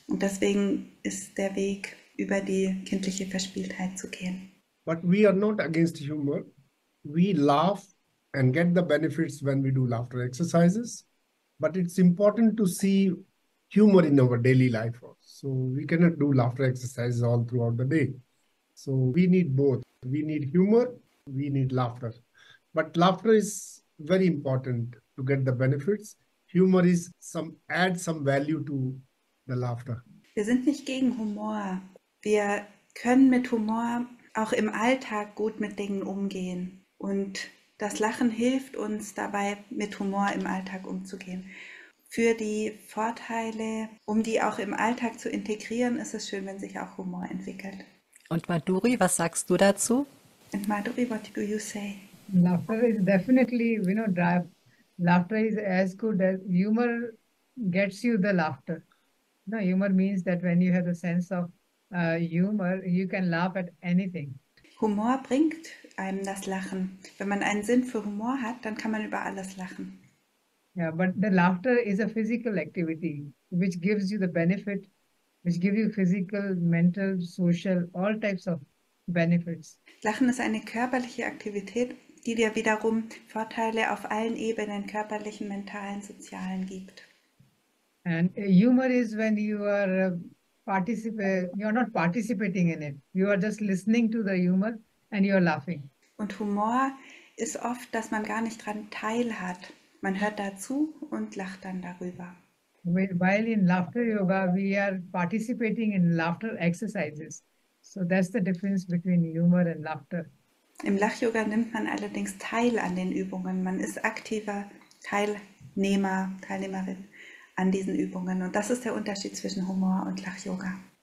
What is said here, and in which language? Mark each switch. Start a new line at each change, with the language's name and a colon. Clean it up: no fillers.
German: Und deswegen ist der Weg, über die kindliche Verspieltheit zu gehen.
English: But we are not against humor. We laugh and get the benefits when we do laughter exercises. But it's important to see humor in our daily life. So we cannot do laughter exercises all throughout the day. So we need both. We need humor, we need laughter. But laughter is very important to get the benefits. Humor is some, add some value to the laughter.
German: Wir sind nicht gegen Humor. Wir können mit Humor auch im Alltag gut mit Dingen umgehen. Und das Lachen hilft uns dabei, mit Humor im Alltag umzugehen. Für die Vorteile, um die auch im Alltag zu integrieren, ist es schön, wenn sich auch Humor entwickelt. Und Madhuri, was sagst du dazu?
English: And Madhuri, what do you say? Laughter is definitely, you know, drive. Laughter is as good as humor gets you the laughter. No, humor means that when you have a sense of humor, you can laugh at anything.
German: Humor bringt einem das Lachen. Wenn man einen Sinn für Humor hat, dann kann man über alles lachen.
English: Yeah, but the laughter is a physical activity which gives you the benefit, which gives you physical, mental, social, all types of benefits.
German: Lachen ist eine körperliche Aktivität, die dir wiederum Vorteile auf allen Ebenen, körperlichen, mentalen, sozialen gibt.
English: And humor is when you are you're not participating in it. You are just listening to the humor and you're laughing.
German: Und Humor ist oft, dass man gar nicht dran teilhat. Man hört dazu und lacht dann darüber.
English: While in laughter yoga, we are participating in laughter exercises. So that's the difference between humor and laughter.
German: Im Lachyoga nimmt man allerdings teil an den Übungen. Man ist aktiver Teilnehmer, Teilnehmerin an diesen Übungen. Und das ist der Unterschied zwischen Humor und Lachyoga.